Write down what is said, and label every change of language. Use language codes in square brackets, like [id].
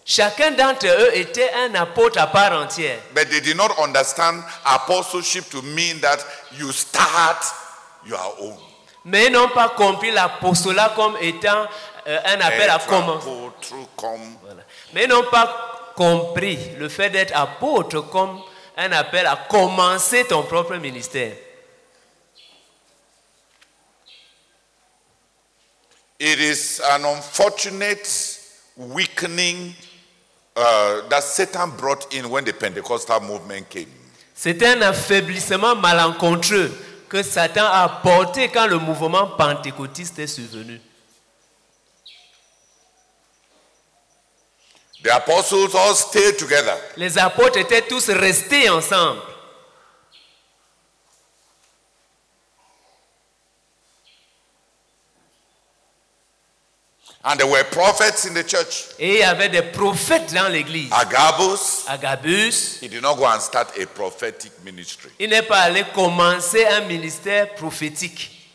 [fr] Chacun d'entre eux était un apôtre à part entière. [en] But they did not understand apostleship to mean that you start your own. [fr] Mais ils n'ont pas compris l'apostolat comme étant un appel être à commencer. Apôtre, comme voilà. Mais ils n'ont pas compris le fait d'être apôtre comme un appel à commencer ton propre ministère. [en] It is an unfortunate weakening that Satan brought in when the Pentecostal movement came. [fr] C'est un affaiblissement malencontreux que Satan a porté quand le mouvement pentecôtiste est survenu. [en] The apostles all stayed together. [fr] Les apôtres étaient tous restés ensemble. [en] And there were prophets in the church. [fr] Et il y avait des prophètes dans l'église. [en] Agabus. He did not go and start a prophetic ministry. [fr] Il n'est pas allé commencer un ministère prophétique.